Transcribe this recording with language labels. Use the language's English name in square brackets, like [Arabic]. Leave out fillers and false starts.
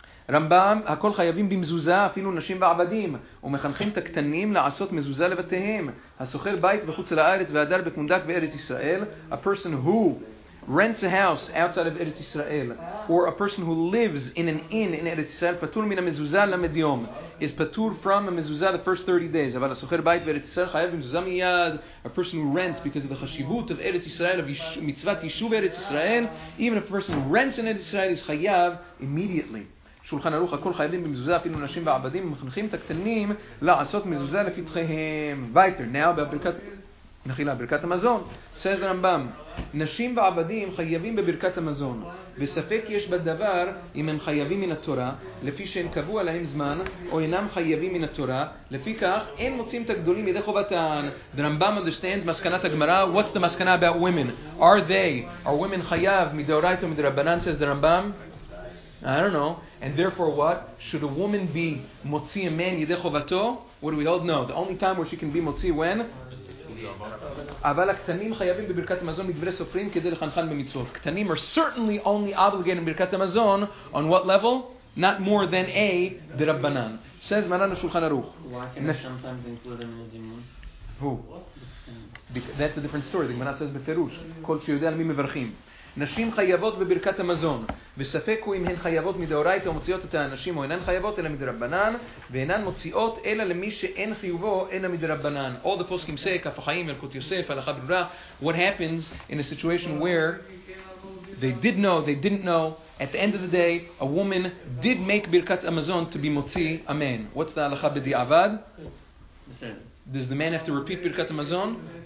[Hebrew] רמב״ם, הכל חייבים במזוזה, אפילו נשים ועבדים, ומחנכים את הקטנים לעשות מזוזה לבתיהם. הסוחר בית בחוץ לארץ והדר בקונדק בארץ ישראל, [English] a person who rents a house outside of ארץ ישראל, or a person who lives in an inn in ארץ ישראל, [Hebrew] פטור מן המזוזה למדיום, [English] is פטור from a מזוזה the first 30 days. [Hebrew] אבל הסוחר בית בארץ ישראל חייב במזוזה מיד, [English] a person who rents because of the חשיבות of ארץ ישראל, of מצוות יישוב ארץ ישראל, even a person who rents in ארץ ישראל is חייב immediately. [Hebrew] שולחן ערוך, הכל חייבים במזוזה, אפילו נשים ועבדים, מחנכים את הקטנים לעשות מזוזה לפתחיהם. ויתר, נאו בברכת, נחילה, ברכת המזון. [English] says the Rambam, [Hebrew] נשים ועבדים חייבים בברכת המזון. בספק יש בדבר אם הם חייבים מן התורה, לפי שאין קבוע להם זמן, או אינם חייבים מן התורה. לפי כך, אין מוצאים את הגדולים ידי חובתן. [English] The Rambam understands מסקנת הגמרא, what's the מסקנה about women? Are women חייב מדאורייתא ומדרבנן, says the Rambam? I don't know. And therefore what? Should a woman be motzi a man yidei chovato? What do we hold? No. The only time where she can be motzi, when? [Hebrew] אבל הקטנים חייבים בברכת המזון בדברי סופרים כדי לחנכן במצוות. [English] קטנים are certainly only obligated in ברכת המזון. On what level? Not more than a דרבנן. Says מרן השולחן ערוך. Why can I sometimes include them in the zimun? Who? That's a different story. The Gemara says בפירוש. [Hebrew] כל שיודע על מי מברכים. נשים חייבות בברכת המזון, וספק הוא אם הן חייבות מדאורייתא ומוציאות את האנשים, או אינן חייבות אלא מדרבנן, ואינן מוציאות אלא למי שאין חיובו אלא מדרבנן. [English] All the פוסקים say, כף החיים, מלכות יוסף, הלכה ברורה, what happens in a situation where they did know, they didn't know, at the end of the day, a woman did make ברכת המזון to be מוציא a man. What's the הלכה בדיעבד? Does the man have to repeat ברכת המזון?